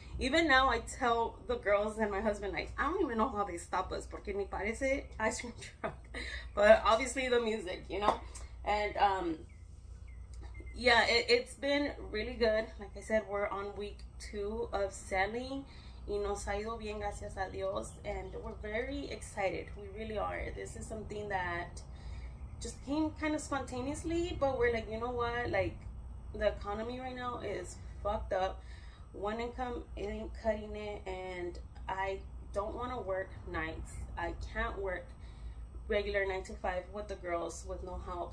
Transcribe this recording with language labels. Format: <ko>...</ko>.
<en>Even now, I tell the girls and my husband, like, I don't even know how they stop us,</en> <es>porque ni parece</es> <en>ice cream truck. But obviously the music, you know? And yeah, it's been really good. Like I said, we're on week 2 of selling.</en> <es>Y nos ha ido bien, gracias a Dios.</es> <en>And we're very excited. We really are. This is something that just came kind of spontaneously, but we're like, you know what, like the economy right now is fucked up. One income ain't cutting it, and I don't want to work nights. I can't work regular 9-to-5 with the girls with no help.</en>